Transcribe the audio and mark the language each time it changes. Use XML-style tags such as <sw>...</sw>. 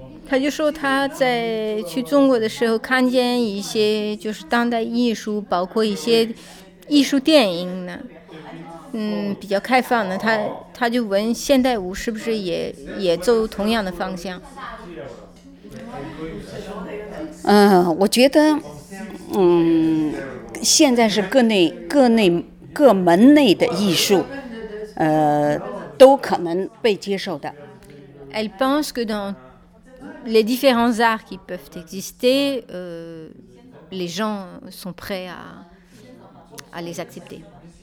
<fr>Il dit qu'il a vu des films d'art et essai, c'est-à-dire des films d'art et essai, c'est-à-dire</fr> <zh>比较开放的，他就问现代舞是不是也走同样的方向？我觉得，现在是各门类的艺术，都可能被接受的。</zh> <fr>Elle pense que dans les différents arts qui peuvent exister, les gens sont prêts à les accepter.</fr>